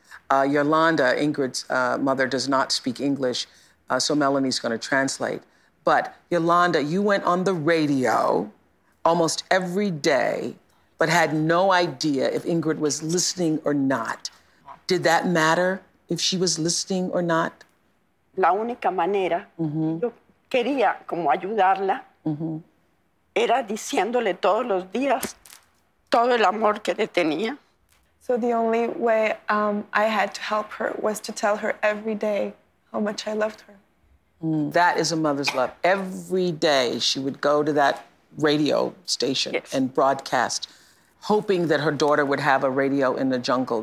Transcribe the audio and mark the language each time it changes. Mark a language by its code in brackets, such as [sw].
[en] Yolanda, Ingrid's mother, does not speak English, so Melanie's going to translate. But Yolanda, you went on the radio almost every day, but had no idea if Ingrid was listening or not. Did that matter, if she was listening or not? [es] La única manera mm-hmm. yo quería como ayudarla mm-hmm. era diciéndole todos los días todo el amor que le tenía. [en] So the only way I had to help her was to tell her every day how much I loved her. Mm, that is a mother's love. Every day she would go to that radio station yes. and broadcast, hoping that her daughter would have a radio in the jungle.